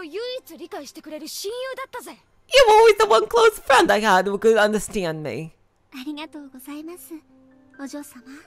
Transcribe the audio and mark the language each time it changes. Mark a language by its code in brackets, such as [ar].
[ja] シャノンはずっとずっと私の気持ちを唯一理解してくれる親友だったぜ! [en] You were always the one close friend I had who could understand me. [ja] ありがとうございます、お嬢様。